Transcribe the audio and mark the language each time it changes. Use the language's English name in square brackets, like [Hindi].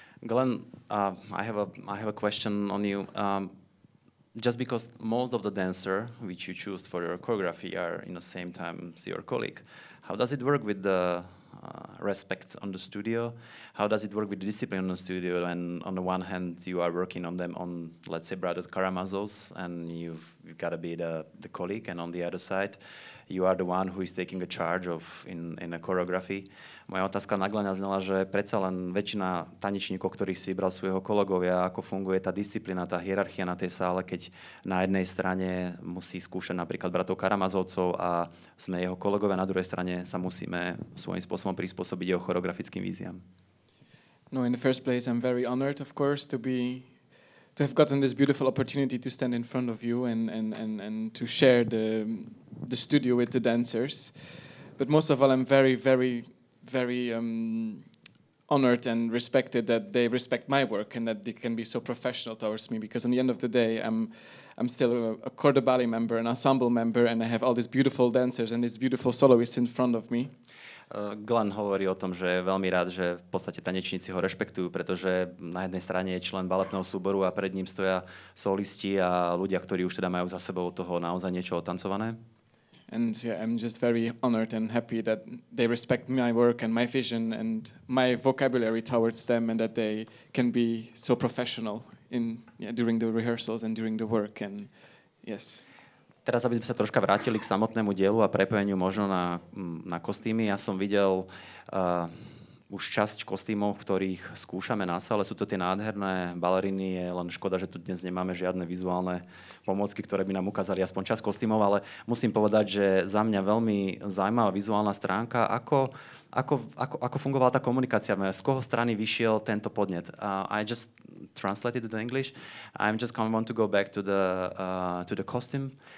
[English] Glenn, I have a question on you. Just because most of the dancer which you choose for your choreography are in the same time as your colleague, how does it work with the respect on the studio? How does it work with the discipline on the studio? And on the one hand, you are working on them on, let's say, Brothers Karamazovs, and you've got to be the colleague. And on the other side, you are the one who is taking a charge of in a choreography. [Slovak] Moja otázka na Glenna znala, že predsa len väčšina tanečníkov, ktorých si vybral svojho kolegovia, ako funguje tá disciplína, tá hierarchia na tej sále, keď na jednej strane musí skúšať napríklad Bratov Karamazovcov a sme jeho kolegovia, na druhej strane sa musíme svojím spôsobom prispôsobiť jeho choreografickým víziám. [English] No, in the first place, I'm very honored, of course, to have gotten this beautiful opportunity to stand in front of you and to share the studio with the dancers. But most of all, I'm very, very, very honored and respected that they respect my work and that they can be so professional towards me, because in the end of the day, I'm still a corps de ballet member, an ensemble member, and I have all these beautiful dancers and these beautiful soloists in front of me. [Slovak] Glenn hovorí o tom, že je veľmi rád, že v podstate tanečníci ho rešpektujú, pretože na jednej strane je člen baletného súboru a pred ním stoja solisti a ľudia, ktorí už teda majú za sebou toho naozaj niečo otancované. [English] And yeah, I'm just very honored and happy that they respect my work and my vision and my vocabulary towards them and that they can be so professional in during the rehearsals and during the work and yes. [Slovak] Teraz, aby sme sa troška vrátili k samotnému dielu a prepojeniu možno na kostýmy. Ja som videl už časť kostýmov, ktorých skúšame na sále. Sú to tie nádherné baleriny, je len škoda, že tu dnes nemáme žiadne vizuálne pomôcky, ktoré by nám ukázali aspoň časť kostýmov, ale musím povedať, že za mňa veľmi zaujímavá vizuálna stránka. Ako fungovala tá komunikácia? Z koho strany vyšiel tento podnet? [English] I just translated it in English. I'm just want to go back to the costume.